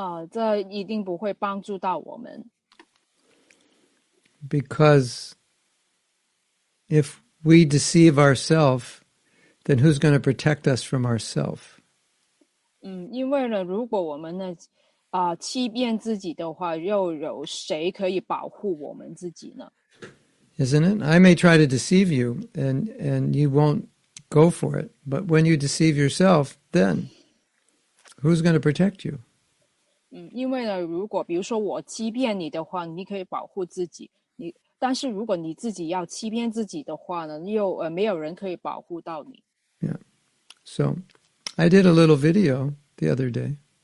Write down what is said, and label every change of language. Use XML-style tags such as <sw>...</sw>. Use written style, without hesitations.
<zh>这一定不会帮助到我们。</zh> <en>Because if we deceive ourselves, then who's going to protect us from ourselves?</en> <zh>因为呢，如果我们呢，欺骗自己的话，又有谁可以保护我们自己呢？</zh> <en>Isn't it? I may try to deceive you and you won't go for it. But when you deceive yourself, then who's going to protect you?</en> <zh>因为呢，如果比如说我欺骗你的话，你可以保护自己，但是如果你自己要欺骗自己的话呢，又没有人可以保护到你。</zh> <en>So, I did a little video the other day.</en>